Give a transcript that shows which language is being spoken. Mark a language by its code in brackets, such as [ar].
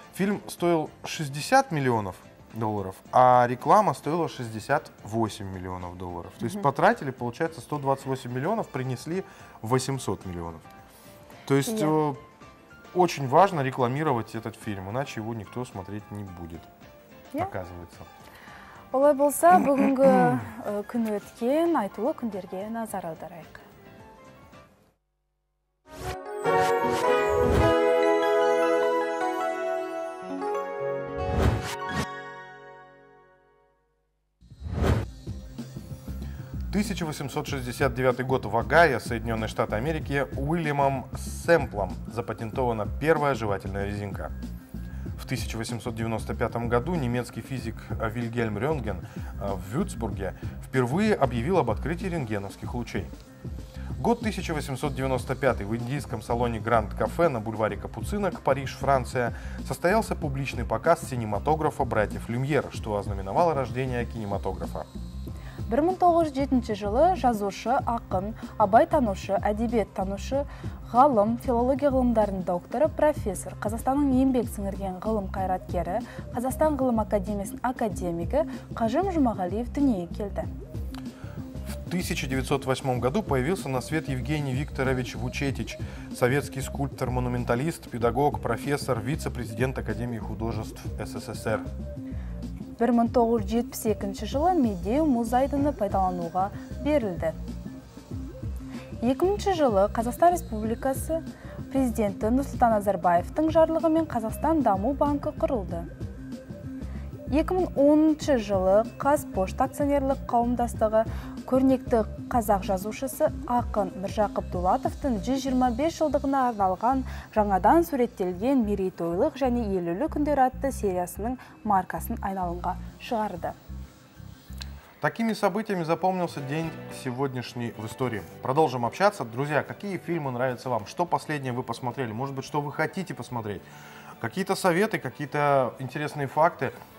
[ru] Фильм стоил 60 миллионов долларов, а реклама стоила 68 миллионов долларов. То есть потратили, получается, 128 миллионов, принесли 800 миллионов. То есть очень важно рекламировать этот фильм, иначе его никто смотреть не будет, оказывается. [kk] Олай болса, бүгінгі күн өткен, айтулы күндерге назар аударайық. [ru] В 1869 год в Огайо, Соединенные Штаты Америки, Уильямом Сэмплом запатентована первая жевательная резинка. В 1895 году немецкий физик Вильгельм Рентген в Вюрцбурге впервые объявил об открытии рентгеновских лучей. Год 1895. В индийском салоне Гранд Кафе на бульваре Капуцинок, Париж, Франция, состоялся публичный показ синематографа братьев Люмьер, что ознаменовало рождение кинематографа. [kk] 1907 жылы жазушы, ақын, абай танушы, әдебиет танушы, ғалым, филология ғылымдарын докторы, профессор, Қазақстанның еңбек сіңірген ғылым қайраткері, Қазақстан ғылым академиясының академигі Қажым Жұмағалиев дүниеге келді. [ru] В 1908 году появился на свет Евгений Викторович Вучетич, советский скульптор, монументалист, педагог, профессор, вице-президент Академии художеств СССР. [kk] 1972 жылы Медеу музайдыны пайдалануға берілді. 2000 жылы Қазақстан Республикасы президенті Нұрсұлтан Назарбаевтың жарлығымен Қазақстан Даму банкі құрылды. 2010 жылы Қазпошта акционерлік қауымдастығы көрнекті қазақ жазушысы ақын Міржақып Дулатовтың 125 жылдығына арналған жаңадан суреттелген мерейтойлық және елеулі күндер атты сериясының маркасын айналымға шығарды. [ru] Такими событиями запомнился день сегодняшний в истории. Продолжим общаться. Друзья, какие фильмы нравятся вам? Что последнее вы посмотрели? Может быть, что вы хотите посмотреть? Какие-то советы, какие-то интересные факты?